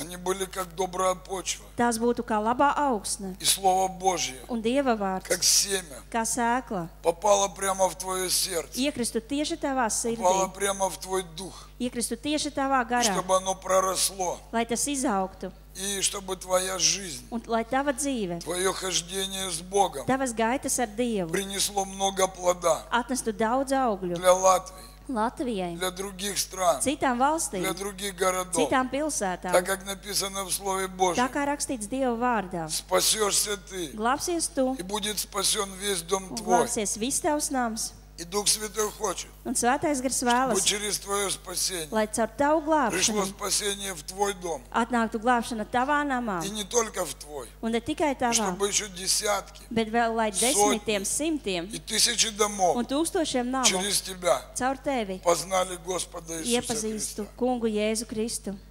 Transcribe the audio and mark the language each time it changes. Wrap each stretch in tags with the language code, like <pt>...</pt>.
<ru>Они были как добрая почва.</ru> <lv>Tās būtu kā labā augsne.</lv> <ru>И слово Божье.</ru> <lv>Un Dieva vārds.</lv> <ru>Как семя.</ru> <lv>Kā sēkla.</lv> <ru>Попало прямо в твое сердце.</ru> <lv>Iekristu tieši tavā sirdī.</lv> <ru>Попало прямо в твой дух.</ru> <lv>Iekristu tieši tavā garā.</lv> <ru>Чтобы оно проросло.</ru> <lv>Lai tas izaugtu.</lv> <ru>И чтобы твоя жизнь,</ru> <lv>un, lai tava dzīve,</lv> <ru>твое хождение с Богом,</ru> <lv>tavas gaitas ar Dievu,</lv> <ru>принесло много плода,</ru> <lv>atnestu daudz augļu,</lv> <ru>для Латвии,</ru> <lv>Latvijai,</lv> <ru>для других стран,</ru> <lv>citām valstīm,</lv> <ru>для других городов,</ru> <lv>citām pilsētām,</lv> <ru>так как написано в Слове Божьем,</ru> <lv>tā kā rakstīts Dieva vārdā,</lv> <ru>спасешься ты,</ru> <lv>glābsies tu,</lv> <ru>и будет спасен весь дом твой,</ru> <lv>glābsies viss tavs nams,</lv> <ru>И Дух Святой хочет,</ru> <lv>un Svētais Gars vēlas,</lv> <ru>чтобы через твое спасение,</ru> <lv>lai caur tavu glābšanu,</lv> <ru>пришло спасение в твой дом,</ru> <lv>atnāktu glābšana tavā namā,</lv> <ru>и не только в твой,</ru> <lv>un ne tikai tavā,</lv> <ru>чтобы еще десятки,</ru> <lv>bet vēl lai desmitiem, simtiem,</lv> <ru>и тысячи домов,</ru> <lv>un tūkstošiem namu,</lv> <ru>через тебя,</ru> <lv>caur tevi,</lv> <ru>познали Господа Иисуса Христа,</ru> <lv>iepazīstu Kungu Jēzu Kristu,</lv>